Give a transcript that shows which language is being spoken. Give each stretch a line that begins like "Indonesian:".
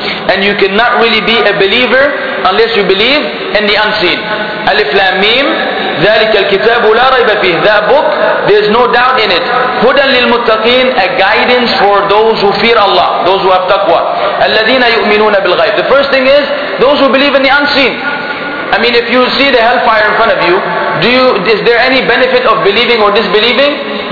English: And you cannot really be a believer unless you believe in the unseen.
Arabic: Alif Lam Mim, ذَلِكَ الْكِتَابُ لَا رَيْبَ فِيهِ.
English: That book, there's no doubt in it.
Arabic: هُدًى لِلْمُتَّقِينَ,
English: a guidance for those who fear Allah, those who have taqwa.
Arabic: الَّذِينَ يُؤْمِنُونَ بِالْغَيْبِ.
English: The first thing is, those who believe in the unseen. I mean, if you see the hellfire in front of you, is there any benefit of believing or disbelieving?